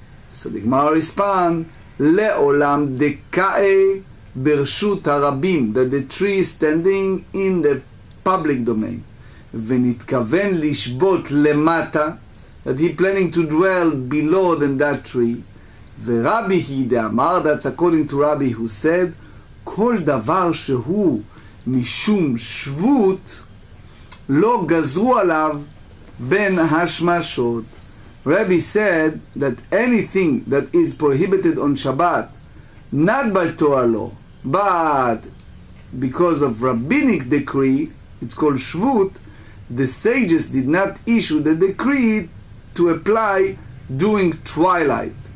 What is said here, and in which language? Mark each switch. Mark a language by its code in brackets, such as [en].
[en] So the Gemara respond, [he] Le'olam deka'e bershut harabim, [en] that the tree is standing in the public domain. [he] V'nitkaven lishbot lemata, [en] that he planning to dwell below than that tree. [he] V'rabi hi de'amar, [en] that's according to Rabbi who said, [he] כל דבר שהוא משום שבות לא גזרו עליו בין השמשות. [en] Rabbi said that anything that is prohibited on Shabbat, not by Torah law, but because of rabbinic decree, it's called שבות, the sages did not issue the decree to apply during twilight.